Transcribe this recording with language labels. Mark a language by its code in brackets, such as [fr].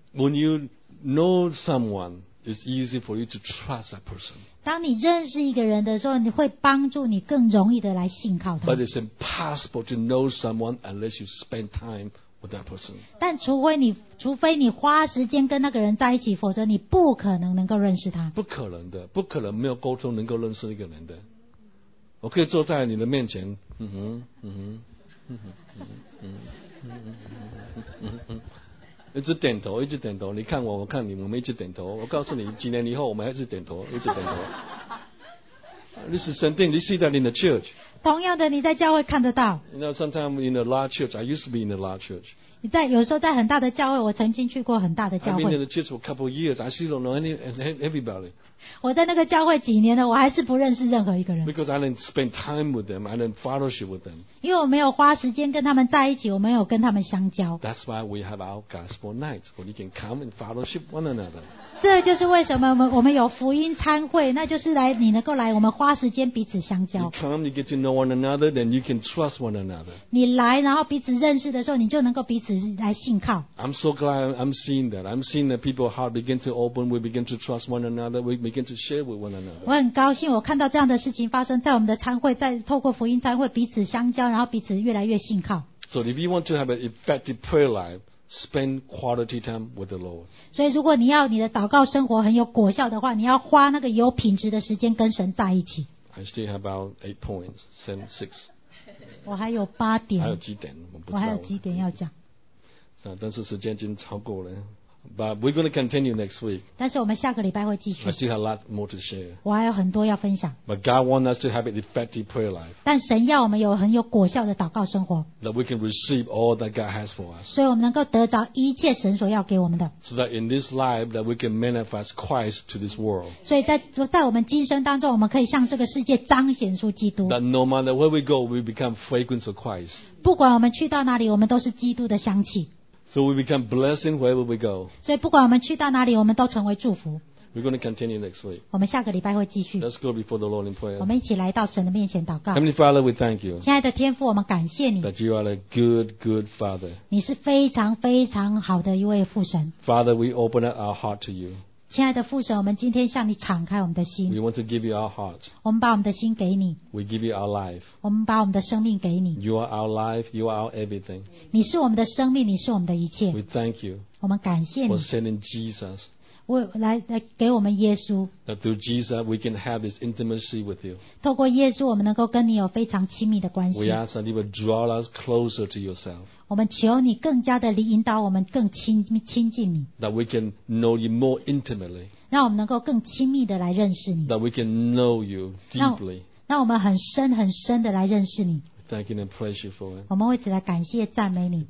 [en] When you know someone, it's easy for you to trust that person. [zh] 当你认识一个人的时候，你会帮助你更容易的来信靠他。 [en] But it's impossible to know someone unless you spend time with that person. [zh] 但除非你花时间跟那个人在一起，否则你不可能能够认识他。不可能的，不可能没有沟通能够认识一个人的。我可以坐在你的面前，嗯哼，一直点头，一直点头。你看我，我看你，我们一直点头。我告诉你，几年以后我们还是点头，一直点头。 [en] This is something you see that in the church. [zh] 同样的，你在教会看得到。 [en] You know, sometimes in a large church, I used to be in a large church. [zh] 你在有时候在很大的教会，我曾经去过很大的教会。 [en] I've been in the church for a couple of years. I still don't know everybody. [zh] 我在那个教会几年了，我还是不认识任何一个人。 [en] Because I didn't spend time with them, I didn't fellowship with them. [zh] 因为我没有花时间跟他们在一起，我没有跟他们相交。 [en] That's why we have our gospel night, where you can come and fellowship one another. [zh] 这就是为什么我们有福音餐会，那就是来你能够来我们花时间彼此相交。 [en] You come, you get to know one another, then you can trust one another. [zh] 你来，然后彼此认识的时候，你就能够彼此来信靠。 [en] I'm so glad I'm seeing that. I'm seeing that people's heart begin to open. We begin to trust one another. We begin to share with one another. [zh] 我很高兴我看到这样的事情发生在我们的餐会，在透过福音餐会彼此相交，然后彼此越来越信靠。 [en] So if you want to have an effective prayer life. Spend quality time with the Lord. [zh] 所以如果你要你的祷告生活很有果效的话，你要花那个有品质的时间跟神在一起。 [en] I still have about 8 points, 7, 6. [zh] 我还有8点。还有几点？我不知道。我还有几点要讲。但是时间已经超过了。 [en] But we're going to continue next week. [zh] 但是我们下个礼拜会继续。 [en] I still have a lot more to share. [zh] 我还有很多要分享。 [en] But God wants us to have an effective prayer life. [zh] 但神要我们有很有果效的祷告生活。 [en] That we can receive all that God has for us. [zh] 所以我们能够得着一切神所要给我们的。 [en] So that in this life that we can manifest Christ to this world. [zh] 所以在我们今生当中，我们可以向这个世界彰显出基督。 [en] That no matter where we go, we become fragrance of Christ. [zh] 不管我们去到哪里，我们都是基督的香气。 [en] So we become blessing wherever we go. [zh] 所以不管我们去到哪里，我们都成为祝福。 [en] We're going to continue next week. [zh] 我们下个礼拜会继续。 [en] Let's go before the Lord in prayer. [zh] 我们一起来到神的面前祷告。 [en] Heavenly Father, we thank you. [zh] 亲爱的天父，我们感谢你。 [en] That you are a good, good Father. [zh] 你是非常非常好的一位父神。 [en] Father, we open up our heart to you. [zh] 亲爱的父神，我们今天向你敞开我们的心。 [en] We want to give you our heart. [zh] 我们把我们的心给你。 [en] We give you our life. [zh] 我们把我们的生命给你。 [en] You are our life. You are our everything. [zh] 你是我们的生命，你是我们的一切。 [en] We thank you. [zh] 我们感谢你。 [en] For sending Jesus. [zh] 来给我们耶稣。 [en] That through Jesus we can have this intimacy with you. [zh] 透过耶稣，我们能够跟你有非常亲密的关系。 [en] We ask that you will draw us closer to yourself. [zh] 我们求你更加的引导我们更亲近你 [en] That we can know you more intimately [zh] 让我们能够更亲密的来认识你 [en] That we can know you deeply [zh] 让我们很深很深的来认识你 [en] Thank you and praise you for it [zh] 我们为此来感谢赞美你